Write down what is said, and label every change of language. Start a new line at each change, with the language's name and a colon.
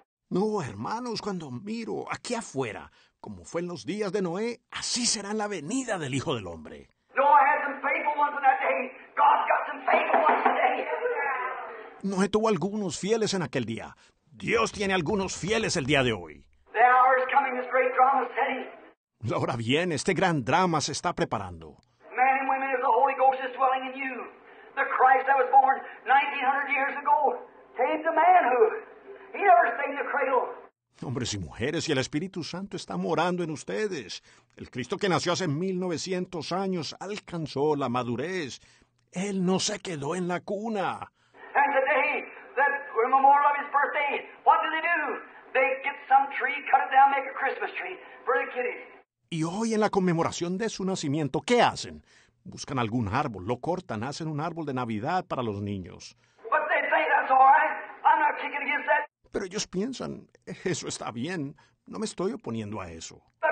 Spanish: No, hermanos, cuando miro aquí afuera, como fue en los días de Noé, así será en la venida del Hijo del Hombre.
English: Noah had some faithful ones in that day. God's got some faithful ones today.
Spanish: No tuvo algunos fieles en aquel día. Dios tiene algunos fieles el día de hoy.
English: The hour is coming, this great drama is setting.
Spanish: La hora viene, este gran drama se está preparando.
English: Men and women, as the Holy Ghost is dwelling in you, the Christ that was born 1900 years ago came to manhood. He never stayed in the cradle.
Spanish: Hombres y mujeres, y el Espíritu Santo está morando en ustedes. El Cristo que nació hace 1900 años alcanzó la madurez. Él no se quedó en la cuna.
English: And today, that memorial of his birthday, what do they do? They get some tree, cut it down, make a Christmas tree for the kiddies.
Spanish: Y hoy, en la conmemoración de su nacimiento, ¿qué hacen? Buscan algún árbol, lo cortan, hacen un árbol de Navidad para los niños.
English: But they say that's all right. I'm not kicking against that.
Spanish: Pero ellos piensan, eso está bien, no me estoy oponiendo a eso.